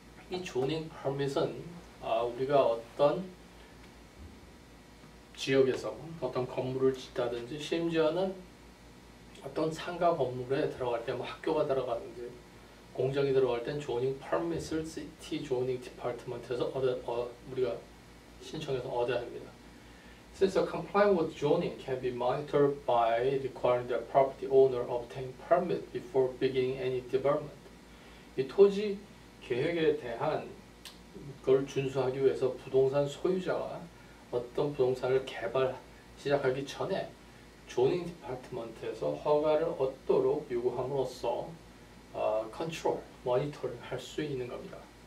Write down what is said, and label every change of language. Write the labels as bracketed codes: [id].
[ko] 이 조닝 permit은 우리가 어떤 지역에서 어떤 건물을 짓다든지 심지어는 어떤 상가 건물에 들어갈 때 뭐 학교가 들어가든지 공장이 들어갈 때 조닝 퍼밋을 시티 조닝 디파트먼트에서 우리가 신청해서 얻어야 합니다. [en] Since a compliance with zoning can be monitored by requiring the property owner obtain permit before beginning any development. [ko] 이 토지 계획에 대한 걸 준수하기 위해서 부동산 소유자가 어떤 부동산을 개발 시작하기 전에 조닝 디파트먼트에서 허가를 얻도록 요구함으로써 컨트롤, 모니터링 할 수 있는 겁니다.